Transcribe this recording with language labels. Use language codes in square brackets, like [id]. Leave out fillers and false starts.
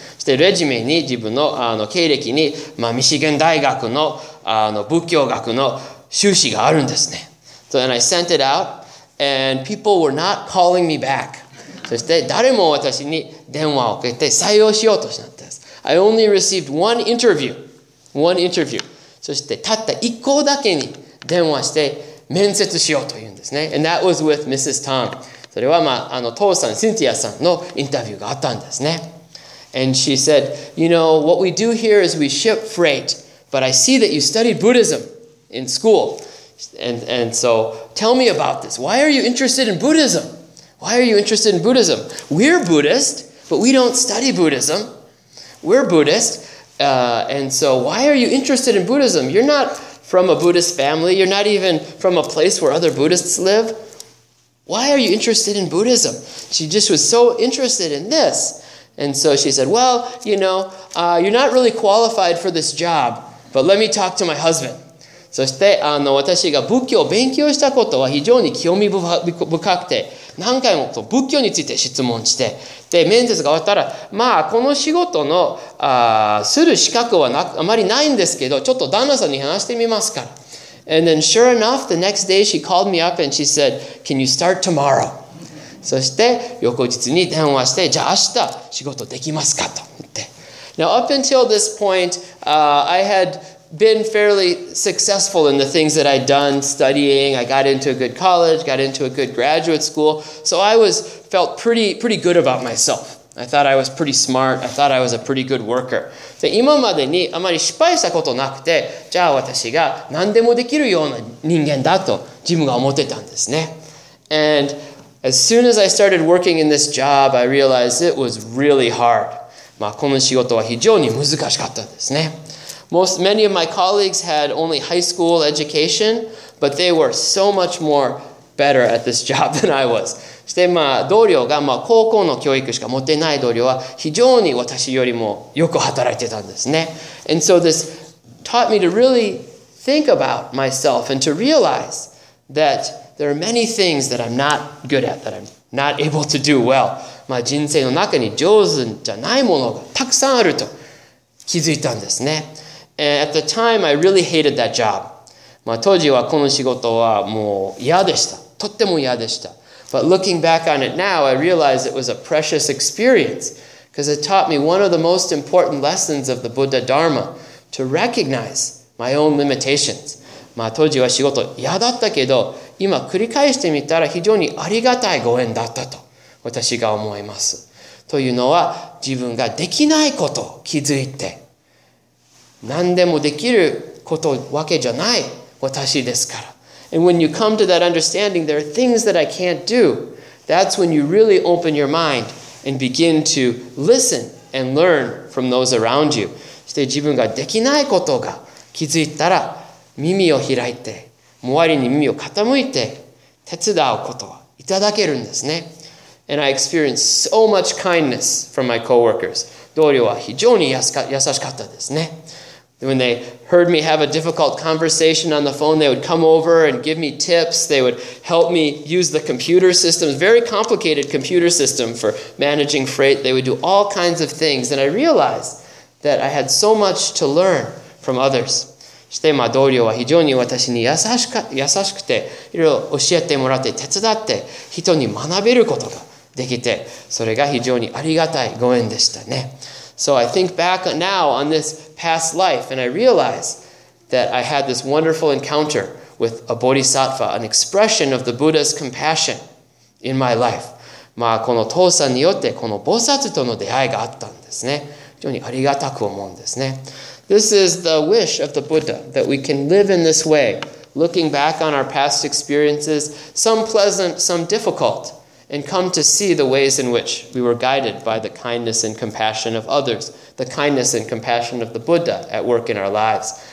[ja] そしてレジュメに自分の、経歴に、まあ、ミシガン大学の、仏教学の修士があるんですね。 [en] So then I sent it out and people were not calling me back. [ja] そして誰も私に電話をかけて採用しようとしたんです。 [en] I only received one interview. One interview. [ja] そしてたった一個だけに電話して面接しようというんですね。 [en] And that was with Mrs. Tang. [ja] それは、まあ、父さん、シンティアさんのインタビューがあったんですね。 [en] And she said, you know, what we do here is we ship freight, but I see that you studied Buddhism in school. And so, tell me about this. Why are you interested in Buddhism? Why are you interested in Buddhism? We're Buddhist, but we don't study Buddhism. We're Buddhist, and so why are you interested in Buddhism? You're not from a Buddhist family. You're not even from a place where other Buddhists live. Why are you interested in Buddhism? She just was so interested in this. And so she said, well, you know, you're not really qualified for this job, but let me talk to my husband. [ja] そして私が仏教を勉強したことは非常に興味深くて何回も仏教について質問してで面接が終わったらまあこの仕事のする資格はなあまりないんですけどちょっと旦那さんに話してみますから。 [en] And then sure enough, the next day she called me up and she said, can you start tomorrow? [ja] そして翌日に電話してじゃあ明日仕事できますかと言って。 [en] Now up until this point, I hadbeen fairly successful in the things that I'd done studying. I got into a good college, got into a good graduate school. So I was felt pretty good about myself. I thought I was pretty smart. I thought I was a pretty good worker. [ja] で、今までにあまり失敗したことなくて、じゃあ私が何でもできるような人間だとジムが思ってたんですね。 [en] And as soon as I started working in this job, I realized it was really hard. [ja] まあこの仕事は非常に難しかったですね。 [en] Many of my colleagues had only high school education, but they were so much more better at this job than I was. [ja] そして、まあ、同僚が、まあ、高校の教育しか持ってない同僚は非常に私よりもよく働いてたんですね。 [en] And so this taught me to really think about myself and to realize that there are many things that I'm not good at, that I'm not able to do well. [ja] まあ、人生の中に上手じゃないものがたくさんあると気づいたんですね。 [en] And at the time, I really hated that job. [ja] まあ、当時はこの仕事はもう嫌でした。とっても嫌でした。 [en] But looking back on it now, I realized it was a precious experience because it taught me one of the most important lessons of the Buddha Dharma to recognize my own limitations. [ja] まあ、当時は仕事嫌だったけど、今繰り返してみたら非常にありがたいご縁だったと私が思います。というのは自分ができないことを気づいて、何でもできることわけじゃない私ですから。 [en] And when you come to that understanding, there are things that I can't do. That's when you really open your mind and begin to listen and learn from those around you. [ja] そして自分ができないことが気づいたら耳を開いて、周りに耳を傾いて手伝うことはいただけるんですね。 [en] And I experienced so much kindness from my coworkers. [ja] 同僚は非常に優しかったですね。 [en] When they heard me have a difficult conversation on the phone, they would come over and give me tips. They would help me use the computer system, a very complicated computer system for managing freight. They would do all kinds of things. And I realized that I had so much to learn from others. [ja] そして、まあ、同僚は非常に私に優しくて、いろいろ教えてもらって、手伝って、人に学べることができて、それが非常にありがたいご縁でしたね。 [en] So I think back now on this past life and I realize that I had this wonderful encounter with a bodhisattva, an expression of the Buddha's compassion in my life. [ja] まあこの父さんによってこの菩薩との出会いがあったんですね。非常にありがたく思うんですね。 [en] This is the wish of the Buddha, that we can live in this way, looking back on our past experiences, some pleasant, some difficult. And come to see the ways in which we were guided by the kindness and compassion of others, the kindness and compassion of the Buddha at work in our lives.